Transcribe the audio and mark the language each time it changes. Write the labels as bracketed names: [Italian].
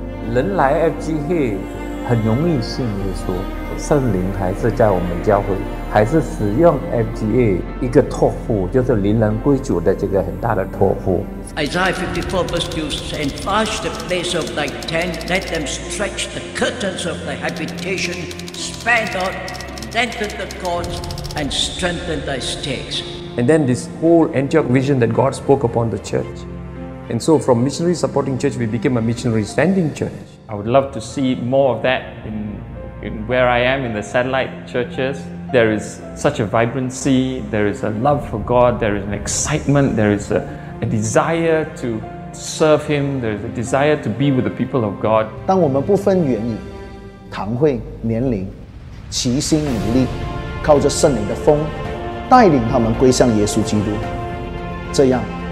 [Chinese] 人来 FGA 很容易信耶稣，圣灵还是在我们教会，还是使用 FGA 一个托付，就是临人归主的这个很大的托付。 [English] Isaiah 54 verse 2 says, Enlarge the place of thy tent, let them stretch the curtains of thy habitation, spread out, lengthen the cords, and strengthen thy stakes. And then this whole Antioch vision that God spoke upon the church. And so from missionary supporting church, we became a missionary standing church. I would love to see more of that in where I am in the satellite churches. There is such a vibrancy, there is a love for God, there is an excitement, there is a desire to serve Him, there is a desire to be with the people of God. [Chinese] 当我们不分原因，堂会、年龄，齐心努力，靠着圣灵的风，带领他们归向耶稣基督，这样。